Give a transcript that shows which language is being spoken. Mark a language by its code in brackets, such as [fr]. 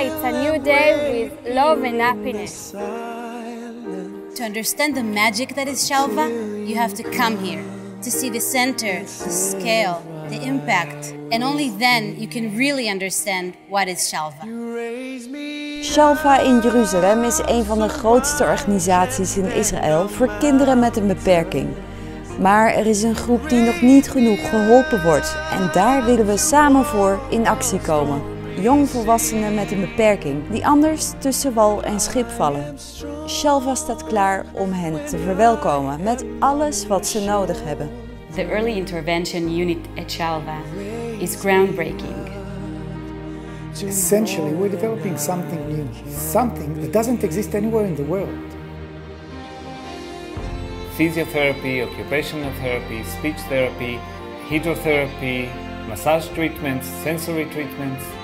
[en] It's a new day with love and happiness. To understand the magic that is Shalva, you have to come here to see the center, the scale, the impact, and only then you can really understand what is Shalva. [nl] Shalva in Jeruzalem is een van de grootste organisaties in Israël voor kinderen met een beperking. Maar er is een groep die nog niet genoeg geholpen wordt en daar willen we samen voor in actie komen. Jongvolwassenen met een beperking die anders tussen wal en schip vallen. Shalva staat klaar om hen te verwelkomen met alles wat ze nodig hebben. [en] The early intervention unit at Shalva is groundbreaking. Essentially, we're developing something new, something that doesn't exist anywhere in the world. Physiotherapy, occupational therapy, speech therapy, hydrotherapy, massage treatments, sensory treatments.